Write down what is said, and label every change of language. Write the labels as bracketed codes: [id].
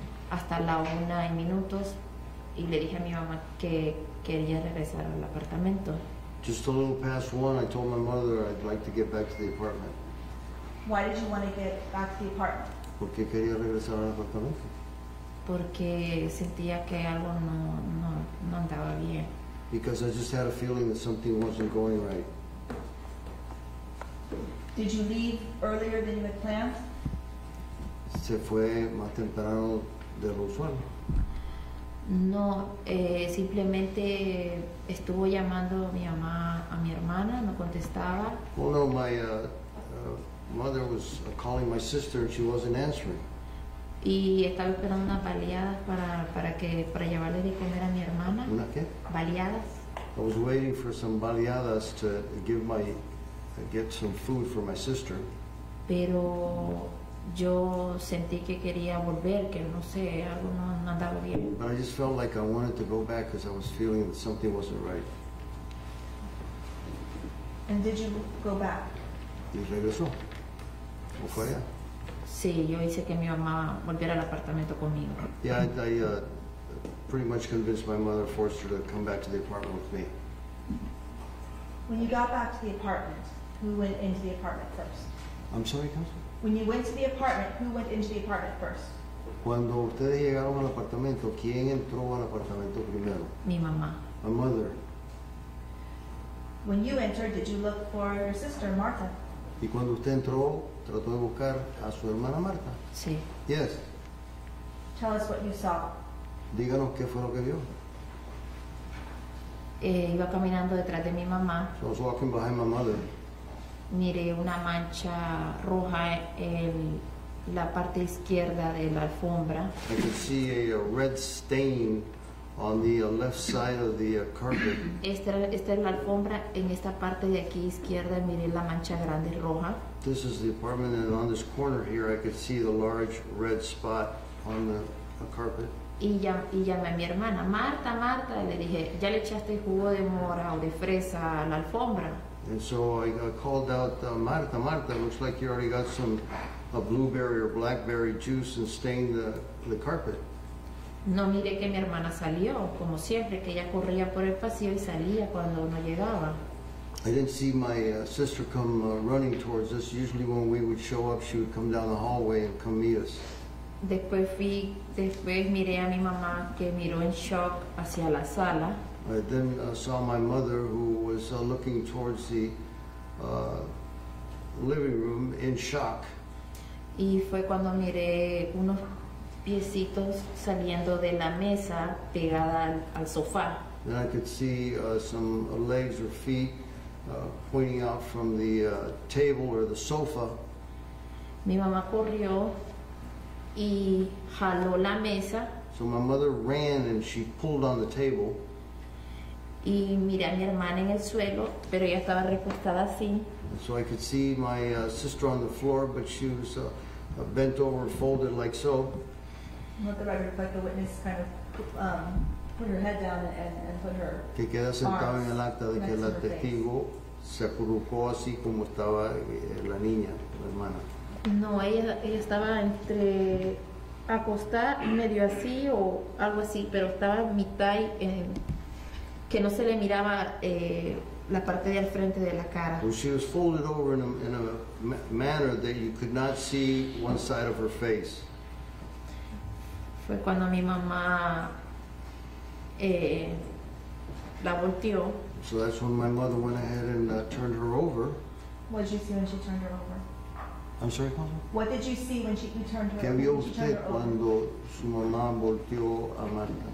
[es] Hasta la una y minutos, y le dije a mi mamá que quería regresar al apartamento. [en] Just a little past one, I told my mother I'd like to get back to the apartment. Why did you want to get back to the apartment? [es] ¿Por qué quería regresar al apartamento? Porque sentía que algo no andaba bien. [en] Because I just had a feeling that something wasn't going right. Did you leave earlier than you had planned? [es] Se fue más temprano de lo usual. No, simplemente estuvo llamando a mi mamá, a mi hermana, no contestaba. [en] Well, no, my mother was calling my sister and she wasn't answering. [es] Y estaba esperando unas baleadas para llevarle de comer a mi hermana. ¿Una qué? Baleadas. [en] I was waiting for some baleadas to get some food for my sister. [es] Pero yo sentí que quería volver, que no sé, algo no andaba bien. [en] But I just felt like I wanted to go back because I was feeling that something wasn't right. And did you go back? [es] Y regresó. ¿O fue allá? Sí, yo hice que mi mamá volviera al apartamento conmigo. [en] Yeah, I pretty much convinced my mother, forced her to come back to the apartment with me. When you got back to the apartment, who went into the apartment first? I'm sorry, Counselor? When you went to the apartment, who went into the apartment first? [es] Cuando ustedes llegaron al apartamento, ¿quién entró al apartamento primero? Mi mamá. [en] My mother. When you entered, did you look for your sister, Martha? [es] Y cuando usted entró, trató de buscar a su hermana Martha? Sí. [en] Yes. Tell us what you saw. [es] Díganos qué fue lo que vio. Iba caminando detrás de mi mamá. [en] So I was walking behind my mother. [es] Miré una mancha roja en la parte izquierda de la alfombra. [en] I could see a red stain on the left side of the carpet. [es] Esta es la alfombra. En esta parte de aquí izquierda miré la mancha grande roja. [en] This is the apartment, and on this corner here I could see the large red spot on the carpet. [es] Y llamé a mi hermana, Marta, Marta, y le dije, ¿ya le echaste jugo de mora o de fresa a la alfombra? [en] And so I called out, Marta, Marta, looks like you already got some blueberry or blackberry juice and stained the carpet. [es] No miré que mi hermana salió, como siempre, que ella corría por el pasillo y salía cuando no llegaba. [en] I didn't see my sister come running towards us. Usually when we would show up, she would come down the hallway and come meet us. [es] Después miré a mi mamá que miró en shock hacia la sala. [en] I then saw my mother, who was looking towards the living room in shock. [es] Y fue cuando miré unos piecitos saliendo de la mesa pegada al sofá. [en] Then I could see some legs or feet pointing out from the table or the sofa. [es] Mi mamá corrió y jaló la mesa. [en] So my mother ran and she pulled on the table. [es] y miré a mi hermana en el suelo, pero ella estaba recostada así. [en] So I could see my sister on the floor, but she was bent over, folded like so. Not the right, but the witness kind of put her head down and put her [es] que queda sentado en el acta de que la testigo se acurrucó así como estaba la niña, la hermana. No, ella estaba entre acostada medio así o algo así, pero estaba mitad que no se le miraba la parte del frente de la cara. [en] Well, she was folded over in a manner that you could not see one side of her face. [es] Fue cuando mi mamá la volteó. [en] So that's when my mother went ahead and turned her over. What did you see when she turned her over? I'm sorry, Mama? What did you see when she turned her over? [es] ¿Qué vio usted cuando su mamá volteó a Marta?